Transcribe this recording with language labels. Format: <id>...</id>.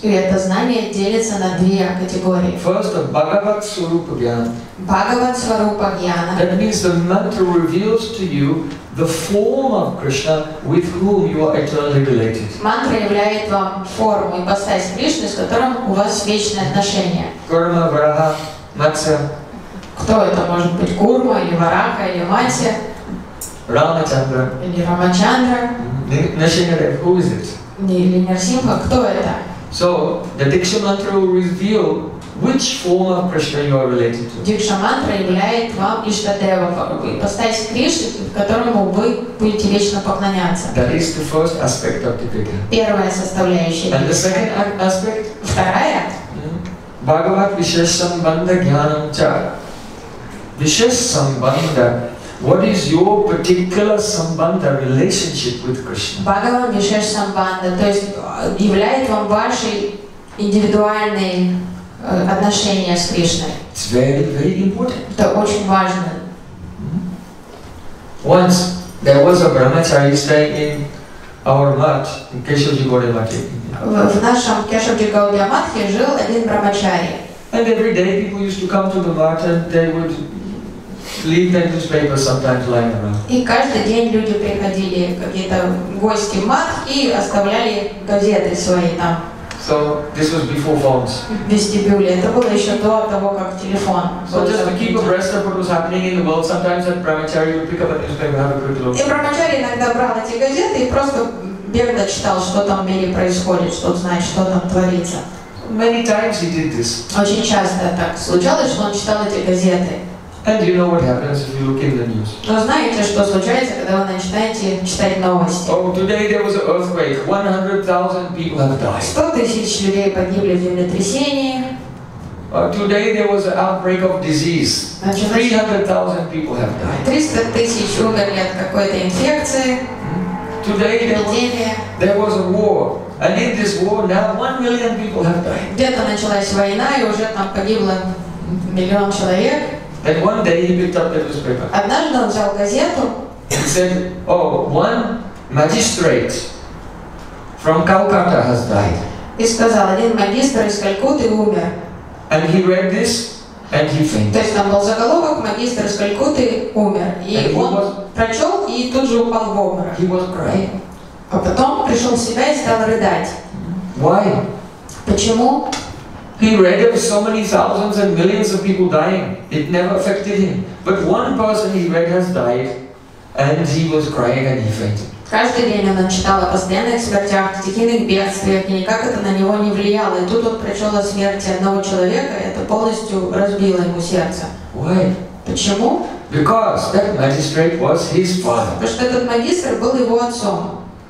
<ru>И это знание делится на две категории.</ru> <en>First, of Bhagavat Sarupa Jnana.</en> <sa>Bhagavat Sarupa Jnana.</sa> <en>That means the mantra reveals to you the form of Krishna with whom you are eternally related.</en> <ru>Мантра являет вам форму и постась Кришны, с которым у вас вечные отношения. Курма, Вараха, Матсья. Кто это может быть? Курма, или Вараха, или Матсья? Рамачандра. Или Рамачандра.</ru> <en>Нарсимха, who is it?</en> <ru>Или Нарсимха, кто это?</ru> <en>So, the Diksha Mantra will reveal which form of Krishna you are related to?</en> <ru>Дикша мантра являет вам Иштадева, постась Кришны, которому вы будете вечно поклоняться.</ru> <en>That is the first aspect of the Diksha.</en> <ru>Первая составляющая.</ru> <en>And the second aspect?</en> <ru>Вторая.</ru> <sa>Бхагават Вишешсамбанда Гьянам Ча. Вишешсамбанда.</sa> <en>What is your particular sambandha relationship with Krishna?</en> <sa>Бхагават Вишешсамбанда.</sa> <ru>То есть являет вам ваши индивидуальные отношения с Кришной.</ru> <en>It's very, very important.</en> <ru>Это очень важно.</ru> <en>Once there was a brahmachari staying in our mat, in Keshavji Gaudiya Mathe.</en> <ru>В нашем Keshavji Gaudiya Mathe жил один брамачари.</ru> <en>And every day people used to come to the mat and they would leave their newspapers sometimes lying around.</en> <ru>И каждый день люди приходили, какие-то гости в мат, и оставляли газеты свои там.</ru> <en>So this was before phones.</en> <ru>Вестибюле. Это было еще до того, как телефон.</ru> <en>So just to keep abreast of what was happening in the world, sometimes a brahmachari would pick up a newspaper and have a quick look.</en> <ru>И брахмачари иногда брал эти газеты и просто бегло читал, что там в мире происходит, чтобы знать, что там творится.</ru> <en>Many times he did this.</en> <ru>Очень часто так случалось, что он читал эти газеты.</ru> <en>And you know what happens if you look in the news?</en> <ru>Но знаете, что случается, когда вы начинаете читать новости?</ru> <en>Oh, today there was an earthquake. 100,000 people have died.</en> <ru>100,000 людей погибли в землетрясении.</ru> <en>Today there was an outbreak of disease. 300,000 people have died.</en> <ru>300,000 умерли от какой-то инфекции.</ru> <en>Today there was a war. And in this war, now 1,000,000 people have died.</en> <ru>Где-то началась война, и уже там погибло миллион человек.</ru> <en>And one day he picked up the newspaper.</en> <ru>Однажды он взял газету.</ru> <en>He said, "Oh, one magistrate from Calcutta has died."</en> <ru>И сказал, один магистр из Калькутты умер.</ru> <en>And he read this and he fainted.</en> <ru>То есть там был заголовок: "Магистр из Калькутты умер." И он прочел и тут же упал в обморок.</ru> <en>He was crying.</en> <ru>А потом пришел в себя и стал рыдать.</ru> <en>Why?</en> <ru>Почему?</ru> <en>He read of so many thousands and millions of people dying. It never affected him. But one person he read has died, and he was crying and he fainted.</en> <ru>Каждый день он читал о постоянных смертях, стихийных бедствиях, и никак это на него не влияло. И тут он прочел о смерти одного человека, и это полностью разбило ему сердце.</ru> <en>Why?</en> <ru>Почему?</ru> <en>Because that magistrate was his father.</en> <ru>Потому что этот магистр был его отцом.</ru>